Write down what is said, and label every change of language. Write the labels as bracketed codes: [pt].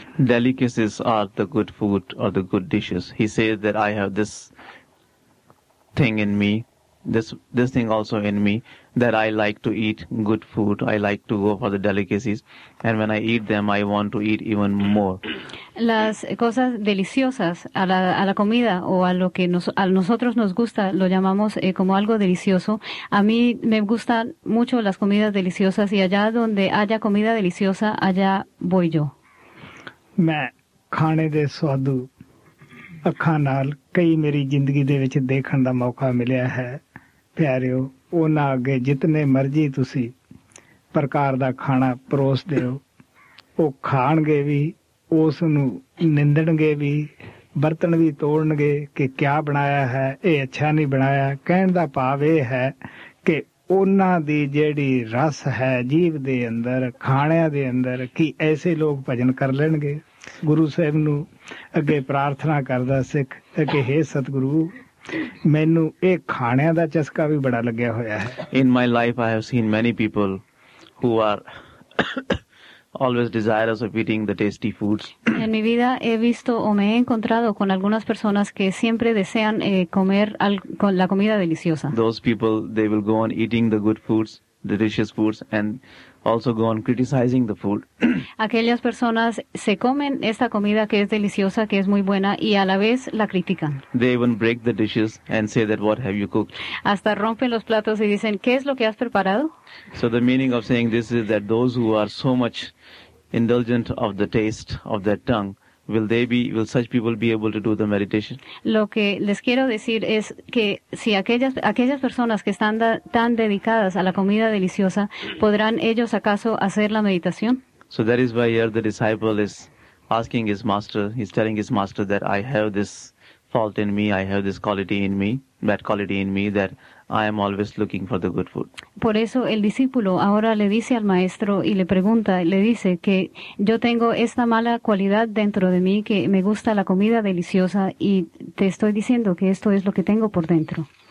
[en] delicacies are the good food or the good dishes he says that I have this thing in me this thing also in me that I like to eat good food I like to go for the delicacies and when I eat them I want to eat even more [es] Las cosas deliciosas a la comida o a lo que a nosotros nos gusta, lo llamamos como algo delicioso. A mí me gustan mucho las comidas deliciosas y allá donde haya comida deliciosa, allá voy yo. [pa] Main khane de swadu akhan naal kai meri zindagi de vich dekhan da mauka milya hai pyareo ohna agge jitne marzi tusi prakar da khana paros deo oh khaange vi ਉਸ ਨੂੰ ਨਿੰਦਣਗੇ ਵੀ ਬਰਤਨ ਵੀ ਤੋੜਨਗੇ ਕਿ ਕਿਆ ਬਣਾਇਆ ਹੈ ਇਹ ਅੱਛਾ ਨਹੀਂ ਬਣਾਇਆ ਕਹਿਣ ਦਾ ਭਾਵ ਇਹ ਹੈ ਕਿ ਉਹਨਾਂ ਦੀ ਜਿਹੜੀ ਰਸ ਹੈ ਜੀਵ ਦੇ ਅੰਦਰ ਖਾਣਿਆਂ ਦੇ ਅੰਦਰ ਕਿ ਐਸੇ ਲੋਕ ਭਜਨ ਕਰ ਲੈਣਗੇ ਗੁਰੂ ਸਾਹਿਬ ਨੂੰ ਅੱਗੇ ਪ੍ਰਾਰਥਨਾ ਕਰਦਾ ਸਿੱਖ ਕਿ ਹੇ ਸਤਿਗੁਰੂ ਮੈਨੂੰ ਇਹ ਖਾਣਿਆਂ ਦਾ ਚਸਕਾ ਵੀ ਬੜਾ ਲੱਗਿਆ ਹੋਇਆ ਹੈ [en] In my life I have seen many people who are always desirous of eating the tasty foods. [es] En mi vida he visto o me he encontrado con algunas personas que siempre desean comer con la comida deliciosa. [en] Those people, they will go on eating the good foods, the delicious foods, and also go on criticizing the food. [es] Aquellas personas se comen esta comida que es deliciosa, que es muy buena, y a la vez la critican. [en] They even break the dishes and say that, what have you cooked? [es] Hasta rompen los platos y dicen, ¿qué es lo que has preparado? [en] So the meaning of saying this is that those who are so much indulgent of the taste of their tongue, Will such people be able to do the meditation? [es] Lo que les quiero decir es que si aquellas personas que están tan dedicadas a la comida deliciosa, ¿podrán ellos acaso hacer la meditación? [en] So that is why here the disciple is asking his master, he's telling his master that I have this fault in me, I have this quality in me, bad quality in me, that I am always looking for the good food. [es] Por eso el discípulo ahora le dice al maestro y le pregunta, le dice que yo tengo esta mala cualidad dentro de mí, que me gusta la comida deliciosa y te estoy diciendo que esto es lo que tengo por dentro.